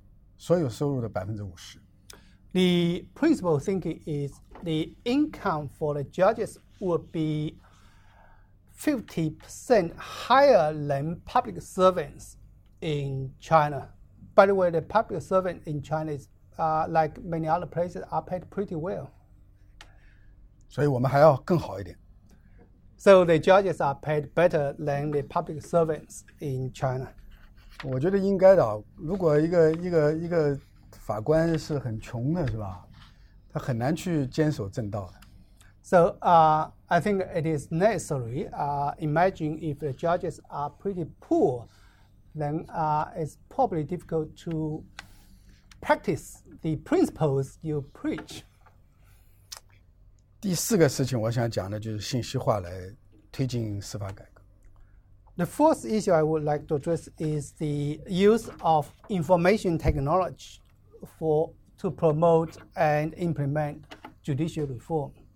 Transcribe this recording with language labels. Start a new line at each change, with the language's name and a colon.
Chinese: 我们现在大致的想法就是法官的收入是所有公务员收入的高于所有收入的50%.
English: The principal thinking is the income for the judges would be 50% higher than public servants in China. By the way, the public servant in China is like many other places are paid pretty well.
Chinese: 所以我们还要更好一点。
English: So the judges are paid better than the public servants in China.
Chinese: 我觉得应该的，如果一个法官是很穷的，是吧？他很难去坚守正道的。
English: So I think it is necessary. Imagine if the judges are pretty poor, then it's probably difficult to practice the principles you preach.
Chinese: 第四个事情我想讲的就是信息化来推进司法改革。
English: The fourth issue I would like to address is the use of information technology to promote and implement judicial reform.